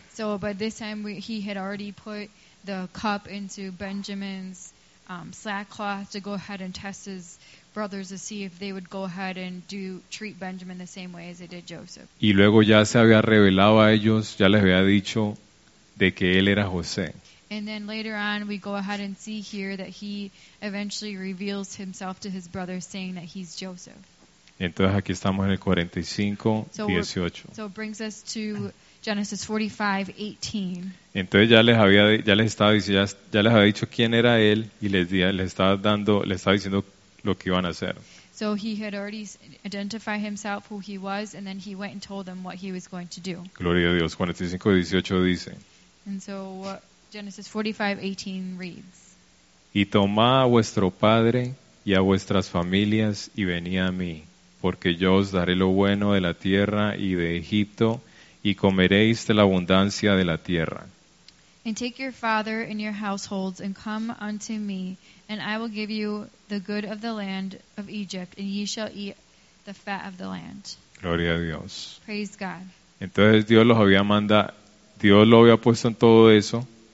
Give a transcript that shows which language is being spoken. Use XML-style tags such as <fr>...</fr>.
<en>So by this time he had already put the cup into Benjamin's sackcloth to go ahead and test his brothers to see if they would go ahead and treat Benjamin the same way as they did Joseph.</en> <es>Y luego ya se había revelado a ellos, ya les había dicho de que él era José.</es> <en>And then later on we go ahead and see here that he eventually reveals himself to his brothers saying that he's Joseph.</en> <es>Entonces aquí estamos en el 45:18.</es> <en>So it brings us to Genesis 45:18.</en> <es>Entonces ya les había dicho quién era él y les estaba diciendo lo que iban a hacer.</es> <en>So he had already identified himself who he was and then he went and told them what he was going to do.</en> <es>Gloria a Dios, 45:18 dice.</es> <en>And so what Genesis 45:18 reads.</en> <es>Y tomá a vuestro padre y a vuestras familias y vení a mí, porque yo os daré lo bueno de la tierra y de Egipto, y comeréis de la abundancia de la tierra.</es> <en>And take your father and your households and come unto me, and I will give you the good of the land of Egypt, and ye shall eat the fat of the land.</en> <es>Gloria a Dios.</es> <en>Praise God.</en> <es>Entonces Dios los había mandado, Dios lo había puesto en todo eso.</es>